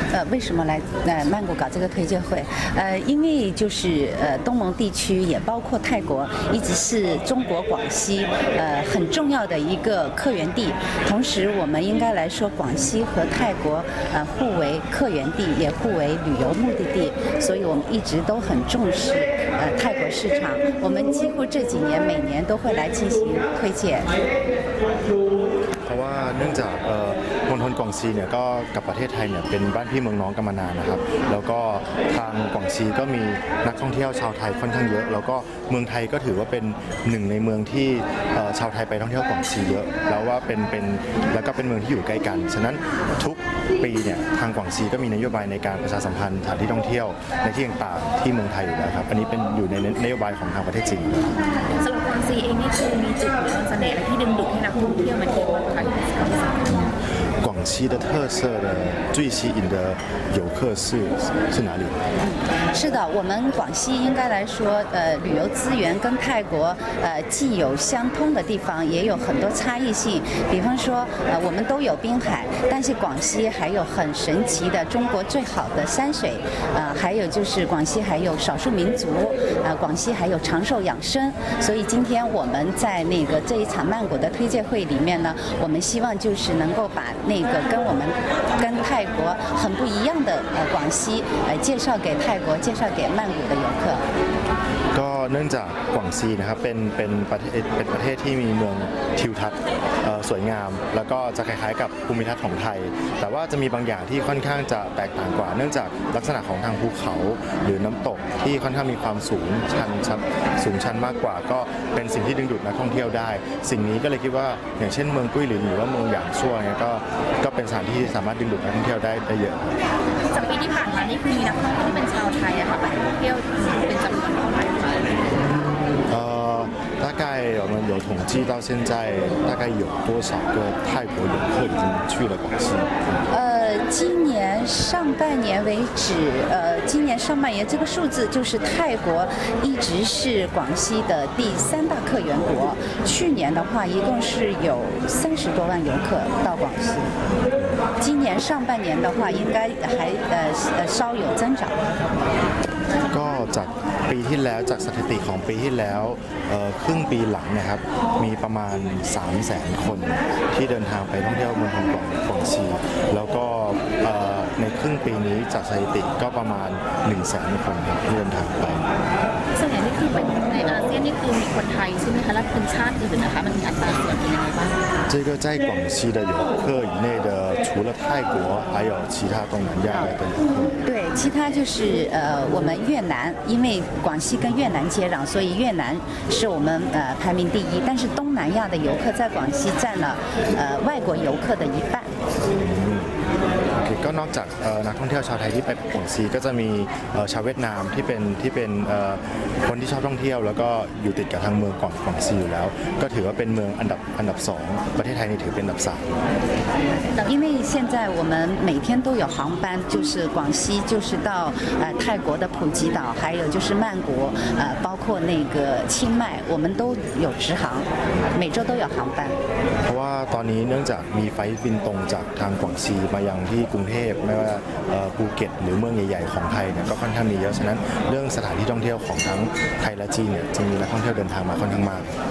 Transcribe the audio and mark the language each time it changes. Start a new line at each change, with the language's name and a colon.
Chinese: 为什么来曼谷搞这个推介会？因为就是东盟地区也包括泰国，一直是中国广西很重要的一个客源地。同时，我们应该来说，广西和泰国互为客源地，也互为旅游目的地。所以我们一直都很重视泰国市场。我们几乎这几年每年都会来进行推介。
Thai: เนื่องจากมณฑลกวางซีเนี่ยก็กับประเทศไทยเนี่ยเป็นบ้านพี่เมืองน้องกันมานานนะครับแล้วก็ทางกวางซีก็มีนักท่องเที่ยวชาวไทยค่อนข้างเยอะแล้วก็เมืองไทยก็ถือว่าเป็นหนึ่งในเมืองที่ชาวไทยไปท่องเที่ยวกวางซีเยอะแล้วว่าเป็นแล้วก็เป็นเมืองที่อยู่ใกล้กันฉะนั้นทุกปีเนี่ยทางกวางซีก็มีนโยบายในการประชาสัมพันธ์สถานที่ท่องเที่ยวในที่ต่างๆที่เมืองไทยอยู่แล้วครับอันนี้เป็นอยู่ในนโยบายของทางประเทศจีน สำหรับ กวางซี เองนี่คือมีจุดเสน่ห์ที่ดึงดูดให้นักท่องเที่ยวมาเที่ยวกันค่ะ
Chinese: 广西的特色的最吸引的游客是哪里？是的，我们广西应该来说，旅游资源跟泰国既有相通的地方，也有很多差异性。比方说，我们都有滨海，但是广西还有很神奇的中国最好的山水，还有就是广西还有少数民族，广西还有长寿养生。所以今天我们在那个这一场曼谷的推介会里面呢，我们希望就是能够把那个跟我们跟泰国很不一样的广西介绍给泰国介绍给曼谷的游客
Thai: ก็เนื่องจากกวางซีนะครับเป็นประเทศที่มีเมืองทิวทัศน์สวยงามแล้วก็จะคล้ายๆกับภูมิทัศน์ของไทยแต่ว่าจะมีบางอย่างที่ค่อนข้างจะแตกต่างกว่าเนื่องจากลักษณะของทางภูเขาหรือน้ำตกที่ค่อนข้างมีความสูงชันสูงชันมากกว่าก็เป็นสิ่งที่ดึงดูดนักท่องเที่ยวได้สิ่งนี้ก็เลยคิดว่าอย่างเช่นเมืองกุ้ยหลินหรือว่าเมืองหยางซั่วเนี่ยก็เป็นสถานที่สามารถดึงดูดนักท่องเที่ยวได้เยอะ จากปีที่ผ่านมานี่คือมีนักท่องเที่ยวที่เป็นชาวไทยอะค่ะไปท่องเที่ยวเป็นจำนวนเท่าไหร่
Chinese: 大概我们有统计到现在，大概有多少个泰国游客已经去了广西？今年上半年为止，今年上半年这个数字就是泰国一直是广西的第三大客源国。去年的话，一共是有30多万游客到广西。今年上半年的话，应该还稍有增长。
Thai: ก็จากปีที่แล้วจากสถิติของปีที่แล้วครึ่งปีหลังนะครับมีประมาณ 300,000 คนที่เดินทางไปท่องเที่ยวเมืองกวางซีแล้วก็ในครึ่งปีนี้จากสถิติก็ประมาณ 100,000 คนที่เดินทางไป ส่วนใหญ่ที่ เป็นในอาเซียนนี่คือมีคนไทยใช่ไหมคะและเป็นชาติอื่นนะคะมันมีอัตราส่วนเป็นยังไงบ้าง
Chinese: 这个在广西的游客以内的，除了泰国，还有其他东南亚来的游客。对，其他就是我们越南，因为广西跟越南接壤，所以越南是我们排名第一。但是东南亚的游客在广西占了外国游客的一半。
Thai: ก็นอกจากนักท่องเที่ยวชาวไทยที่ไปกวางซีก็จะมีชาวเวียดนามที่เป็นคนที่ชอบท่องเที่ยวแล้วก็อยู่ติดกับทางเมืองกวางซีอยู่แล้วก็ถือว่าเป็นเมืองอันดับ2ประเทศไทยนี่ถือเป็นอันดับ3
Chinese: 因为现在我们每天都有航班就是广西就是到泰国的普吉岛还有就是曼谷包括那个清迈我们都有直航每周都有航班
Thai: เพราะว่าตอนนี้เนื่องจากมีไฟบินตรงจากทางกวางซีมายังที่กรุงเทพไม่ว่าภูเก็ตหรือเมืองใหญ่ๆของไทยเนี่ยก็ค่อนข้างมีเยอะฉะนั้นเรื่องสถานที่ท่องเที่ยวของทั้งไทยและจีนเนี่ยจะมีนักท่องเที่ยวเดินทางมาค่อนข้างมาก